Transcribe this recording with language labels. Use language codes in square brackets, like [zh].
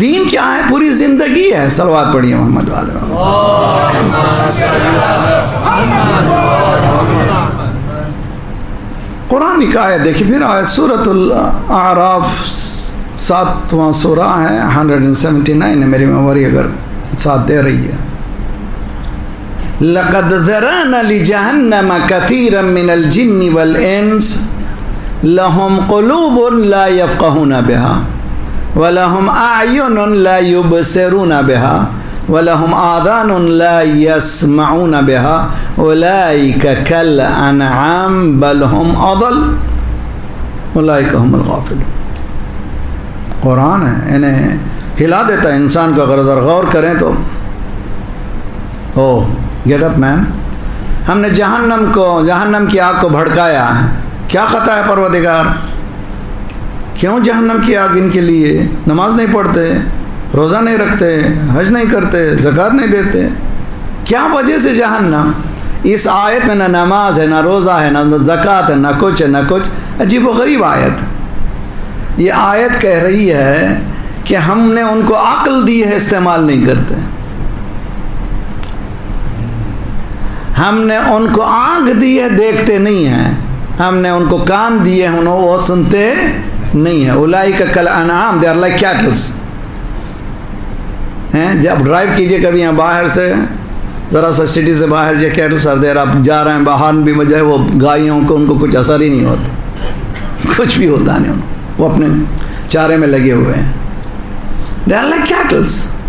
[ur] دین کیا ہے؟ پوری زندگی ہے. صلوات پڑھیے محمد والے. قرآن کی آیت دیکھیے, پھر آیت سورۃ الاعراف ساتواں سورہ ہے, 179 ہے میری میموری اگر ساتھ دے رہی ہے. [ar] لقد ذرانا لجہنم کثیرا من الجن والانس لهم قلوب لا يفقهون بها ولهم اعین لا يبصرون بها ولهم آذان لا يسمعون بها اولئك كالأنعام بل هم أضل اولئك هم الغافلون. [ur] قرآن ہے, یعنی ہلا دیتا ہے انسان کو اگر ذرا غور کریں تو. او گیٹ اپ مین, ہم نے جہنم کو, جہنم کی آگ کو بھڑکایا ہے, کیا خطا ہے پروردگار؟ کیوں جہنم کی آگ ان کے لیے؟ نماز نہیں پڑھتے, روزہ نہیں رکھتے, حج نہیں کرتے, زکات نہیں دیتے, کیا وجہ سے جہنم؟ اس آیت میں نہ نماز ہے, نہ روزہ ہے, نہ زکات ہے, نہ کچھ ہے, نہ کچھ. عجیب و غریب آیت. یہ آیت کہہ رہی ہے کہ ہم نے ان کو عقل دی ہے استعمال نہیں کرتے, ہم نے ان کو آنکھ دی ہے دیکھتے نہیں ہیں, ہم نے ان کو کان دیے ہیں وہ سنتے نہیں ہیں. [ar] اولئک کالانعام, [en] They are like cattles. [ur] جب ڈرائیو کیجئے کبھی یہاں باہر سے, ذرا سا سٹی سے باہر جائے, کیٹل سر دیر آپ جا رہے ہیں باہر بھی مجھے وہ گائیوں کو, ان کو کچھ اثر ہی نہیں ہوتا, کچھ بھی ہوتا نہیں, وہ اپنے چارے میں لگے ہوئے ہیں, [en] They are like cattles.